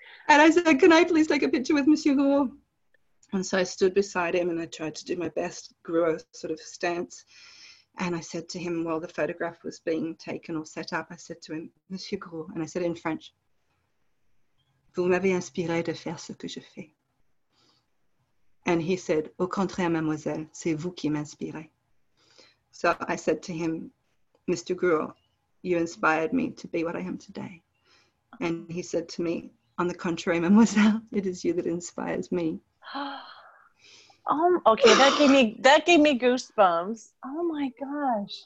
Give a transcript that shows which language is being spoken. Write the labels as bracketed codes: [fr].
[en] And I said, can I please take a picture with Monsieur Gruau? And so I stood beside him and I tried to do my best Gruau sort of stance. And I said to him, while the photograph was being taken or set up, I said to him, Monsieur Gruau, and I said in French, [fr] Vous m'avez inspiré de faire ce que je fais. [en] And he said, [fr] au contraire, mademoiselle, c'est vous qui m'inspirez. [en] So I said to him, Mr. Gruhl, you inspired me to be what I am today. And he said to me, on the contrary, mademoiselle, it is you that inspires me. Okay, that gave me goosebumps. Oh my gosh.